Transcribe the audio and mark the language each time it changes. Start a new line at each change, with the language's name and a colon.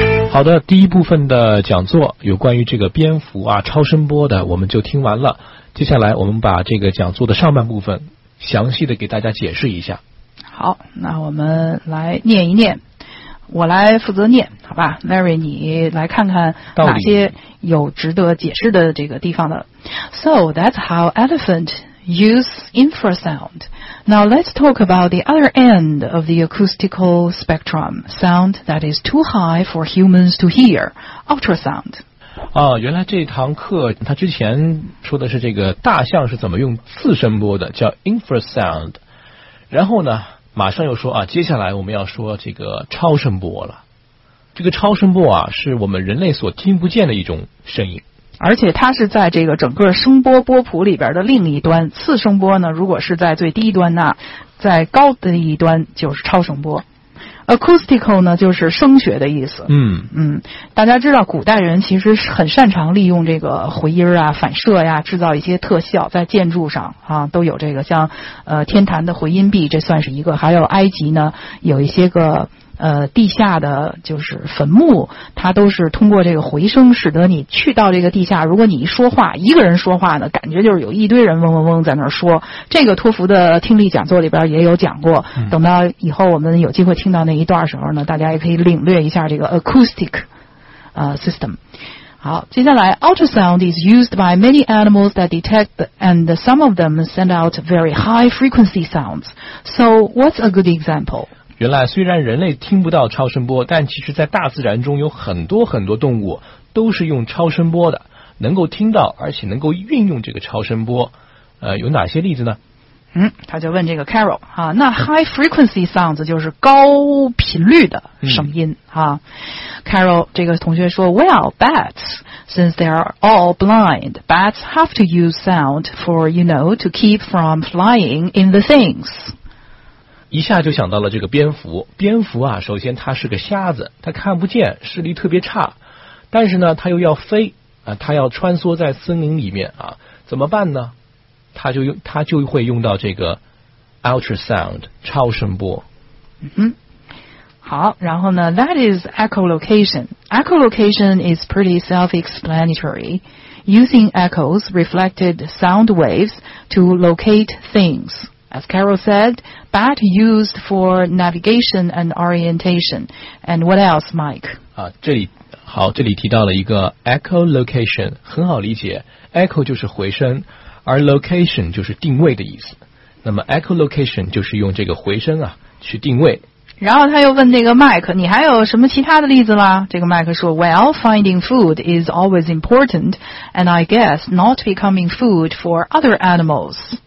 Chinese: 好的，第一部分的讲座有关于这个蝙蝠啊超声波的，我们就听完了。接下来我们把这个讲座的上半部分详细的给大家解释一下。好，那我们来念一念，我来负责念，好吧 ？Larry， 你来看看哪些有值得解释的这个地方的。
English: So that's how elephant use infrasound. Now let's talk about the other end of the acoustical spectrum, sound that is too high for humans to hear, ultrasound.
Chinese: 啊，原来这堂课他之前说的是这个大象是怎么用次声波的，叫 infrasound。然后呢，马上又说啊，接下来我们要说这个超声波了。这个超声波啊，是我们人类所听不见的一种声音。而且它是在这个整个声波波谱里边的另一端，次声波呢，如果是在最低端那，在高的一端就是超声波。 Acoustical 呢，就是声学的意思。嗯嗯，大家知道古代人其实很擅长利用这个回音啊、反射呀、制造一些特效，在建筑上啊都有这个，像天坛的回音壁，这算是一个。还有埃及呢，有一些个地下的就是坟墓，它都是通过这个回声，使得你去到这个地下，如果你一说话，一个人说话呢，感觉就是有一堆人嗡嗡嗡在那儿说。这个托福的听力讲座里边也有讲过，等到以后我们有机会听到那一段时候呢，大家也可以领略一下这个 acoustic system。好，接下来
English: ultrasound is used by many animals that detect and some of them send out very high frequency sounds. So what's a good example?
Chinese: 原来虽然人类听不到超声波，但其实在大自然中有很多很多动物都是用超声波的，能够听到而且能够运用这个超声波。有哪些例子呢？嗯，他就问这个 Carol 啊，那 high frequency sounds 就是高频率的声音、啊。
English: Carol
Chinese: 这个同学说
English: ，Well, bats, since they are all blind, bats have to use sound for, you know, to keep from flying in the things.
Chinese: 一下就想到了这个蝙蝠。蝙蝠啊，首先它是个瞎子，它看不见，视力特别差。但是呢，它又要飞啊，它要穿梭在森林里面啊，怎么办呢？它就会用到这个 ultrasound 超声波。嗯哼，好，然后呢 ，
English: that is echolocation. Echolocation is pretty self-explanatory. Using echoes reflected sound waves to locate things. As Carol said, bat used for navigation and orientation. And what else, Mike?
Chinese: 啊，这里好，这里提到了一个 echolocation， 很好理解。 Echo 就是回声，而 location 就是定位的意思。那么 echolocation 就是用这个回声啊去定位。然后他又问这个 Mike， 你还有什么其他的例子吗？这个 Mike 说
English: ，Well, finding food is always important, and I guess not becoming food for other animals.